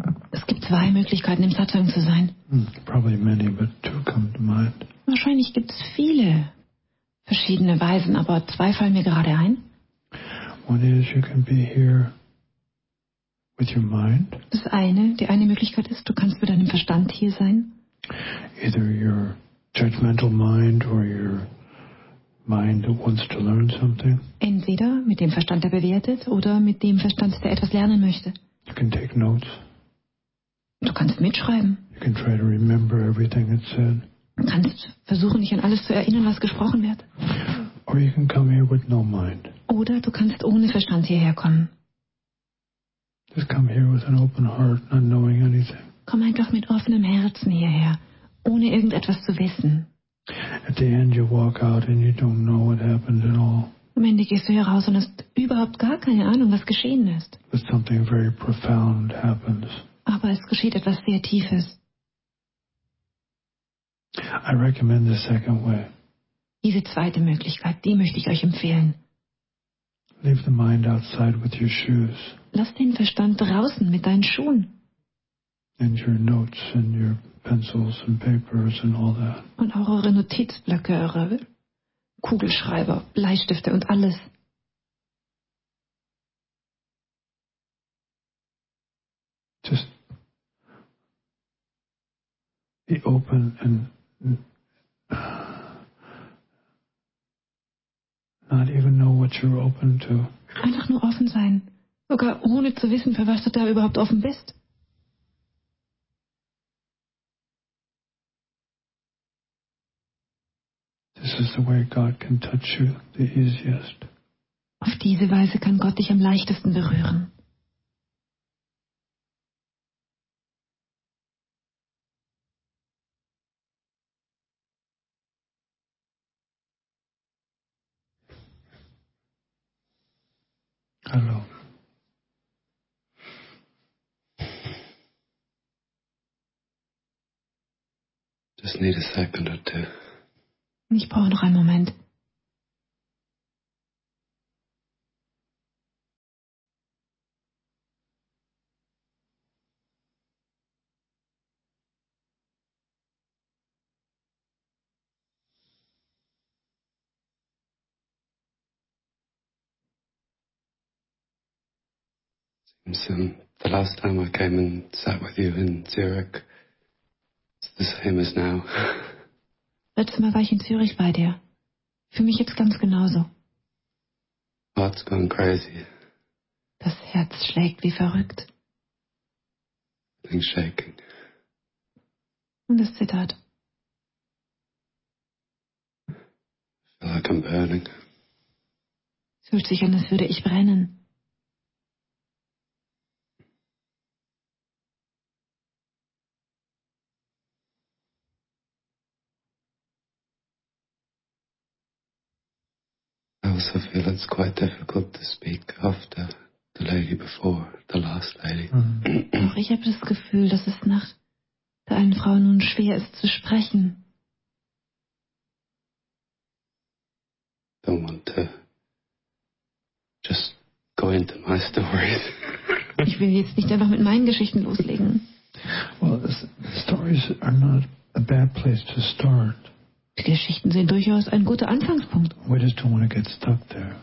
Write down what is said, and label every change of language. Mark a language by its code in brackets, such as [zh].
[de] Es gibt zwei Möglichkeiten, im Satsang zu sein. [en] Probably many, but two come to mind. [de] Wahrscheinlich gibt es viele verschiedene Weisen, aber zwei fallen mir gerade ein. [en] One is you can be here with your mind. [de] Das eine, die eine Möglichkeit ist, du kannst mit deinem Verstand hier sein. [en] Either your judgmental mind or your mind that wants to learn something. [de] Entweder mit dem Verstand, der bewertet, oder mit dem Verstand, der etwas lernen möchte. [en] You can take notes. [de] Du kannst mitschreiben. [en] You can try to remember everything it said. [de] Du kannst versuchen, dich an alles zu erinnern, was gesprochen wird. [en] Or you can come here with no mind. [de] Oder du kannst ohne Verstand hierher kommen. [en] Just come here with an open heart, not knowing anything. [de] Komm einfach mit offenem Herzen hierher, ohne irgendetwas zu wissen. [en] At the end you walk out and you don't know what happened at all. [de] Am Ende gehst du hier raus und hast überhaupt gar keine Ahnung, was geschehen ist. [en] But something very profound happens. [de] Aber es geschieht etwas sehr Tiefes. [en] I recommend the second way. [de] Diese zweite Möglichkeit, die möchte ich euch empfehlen. [en] Leave the mind outside with your shoes. [de] Lass den Verstand draußen mit deinen Schuhen. [en] And your notes and your pencils and papers and all that. [de] Und auch eure Notizblöcke, eure Kugelschreiber, Bleistifte und alles. [en] Just be open and not even know what you're open to. [de] Einfach nur offen sein, sogar ohne zu wissen, für was du da überhaupt offen bist. [en] This is the way God can touch you the easiest. [de] Auf diese Weise kann Gott dich am leichtesten berühren. Hallo. [en] Just need a second or two. [de] Ich brauche noch einen Moment. [en] Simpson, the last time I came and sat with you in Zurich, it's the same as now. [de] Letztes Mal war ich in Zürich bei dir. Für mich jetzt ganz genauso. [en] Heart's gone crazy. [de] Das Herz schlägt wie verrückt. [en] Things shaking. [de] Und es zittert. [en] I feel like I'm burning. [de] Es fühlt sich an, als würde ich brennen. [en] I also feel it's quite difficult to speak after the lady before, the last lady. [de] Auch ich habe das Gefühl, dass es nach der einen Frau nun schwer ist zu sprechen. [en] Don't want to just go into my stories. [de] Ich will jetzt nicht einfach mit meinen Geschichten loslegen. [en] Well, stories are not a bad place to start. [de] Die Geschichten sind durchaus ein guter Anfangspunkt. [en] We just don't want to get stuck there.